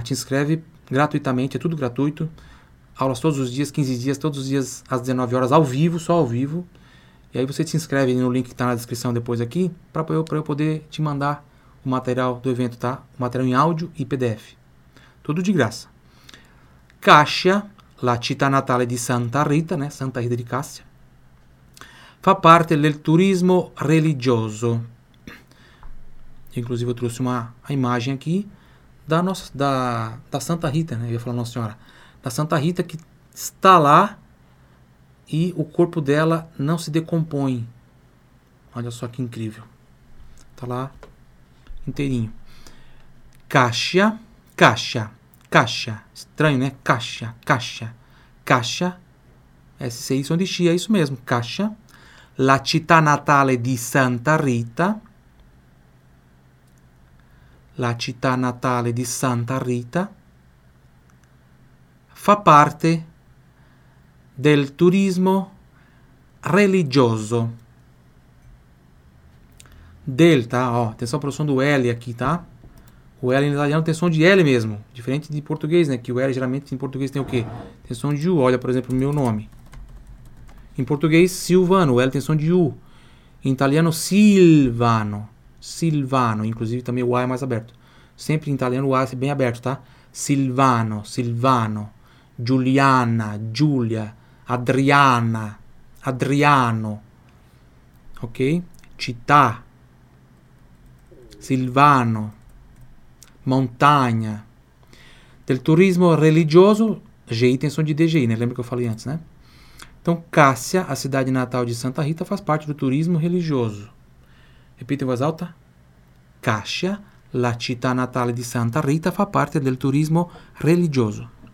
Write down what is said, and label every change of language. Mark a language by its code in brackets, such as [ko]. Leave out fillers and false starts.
[pt] Te inscreve gratuitamente, é tudo gratuito. Aulas todos os dias, 15 dias, todos os dias às 19 horas, ao vivo, só ao vivo. E aí você se inscreve no link que está na descrição depois aqui, para eu poder te mandar o material do evento, tá? O material em áudio e PDF. Tudo de graça. Caixa, [it] la città natale di Santa Rita, né? Santa Rita di Cassia, fa parte del turismo religioso. [pt] Inclusive, trouxe uma imagem aqui da Santa Rita, né? Eu ia falar Nossa Senhora. Da Santa Rita que está lá e o corpo dela não se decompõe. Olha só que incrível. Está lá inteirinho. Cássia, Cássia, Cássia. Estranho, né? Cássia, Cássia, Cássia. Esse é onde tinha, é isso mesmo. Cássia. [it] La città natale di Santa Rita. La città natale di Santa Rita fa parte del turismo religioso. [pt] Delta, ó, atenção para o som do L aqui, tá? O L em italiano tem som de L mesmo, diferente de português, né? Que o L geralmente em português tem o quê? Tem som de U, olha, por exemplo, o meu nome. Em português, Silvano, o L tem som de U. Em italiano, Silvano. Silvano, inclusive também o A é mais aberto. Sempre em italiano o A é bem aberto, tá? Silvano, Silvano, Giuliana, Giulia, Adriana, Adriano, ok? [it] Città, Silvano, montagna. Del turismo religioso, [pt] GI tem som de DGI, né? Lembra que eu falei antes, né? Então, Cássia, a cidade natal de Santa Rita, faz parte do turismo religioso. Repita em voz alta. [it] Cássia, la città natale di Santa Rita, fa parte del turismo religioso.